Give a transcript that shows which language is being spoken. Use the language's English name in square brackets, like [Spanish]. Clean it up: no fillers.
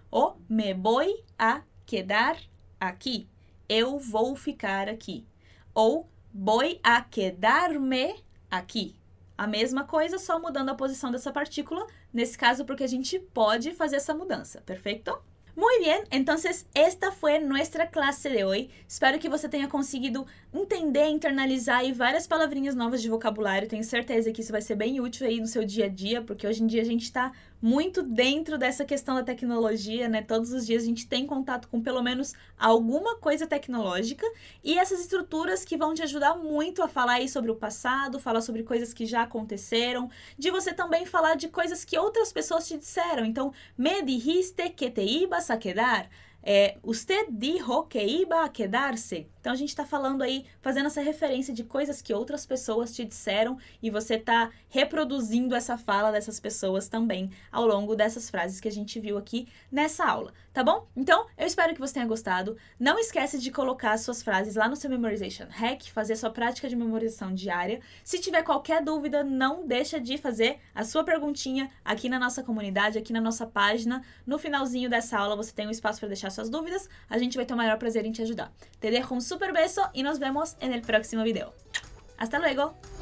[Portuguese] Ou [Spanish] me voy a quedar [Portuguese] aqui, eu vou ficar aqui. [Spanish] Ou voy a quedarme aqui. [Portuguese] A mesma coisa, só mudando a posição dessa partícula, nesse caso porque a gente pode fazer essa mudança, perfeito? [Spanish] Muy bien, entonces esta fue nuestra clase de hoy. [Portuguese] Espero que você tenha conseguido entender, internalizar aí várias palavrinhas novas de vocabulário. Tenho certeza que isso vai ser bem útil aí no seu dia a dia, porque hoje em dia a gente está muito dentro dessa questão da tecnologia, né? Todos os dias a gente tem contato com pelo menos alguma coisa tecnológica e essas estruturas que vão te ajudar muito a falar aí sobre o passado, falar sobre coisas que já aconteceram, de você também falar de coisas que outras pessoas te disseram. Então, [Spanish] me dijiste que te ibas a quedar. É, usted dijo que iba a quedarse. [Portuguese] Então a gente está falando aí, fazendo essa referência de coisas que outras pessoas te disseram e você está reproduzindo essa fala dessas pessoas também ao longo dessas frases que a gente viu aqui nessa aula, tá bom? Então, eu espero que você tenha gostado. Não esquece de colocar as suas frases lá no seu Memorization Hack, fazer a sua prática de memorização diária. Se tiver qualquer dúvida, não deixa de fazer a sua perguntinha aqui na nossa comunidade, aqui na nossa página. No finalzinho dessa aula, você tem um espaço para deixar suas dúvidas. A gente vai ter o maior prazer em te ajudar. [Spanish] Te dejo un super beso y nos vemos en el próximo video. ¡Hasta luego!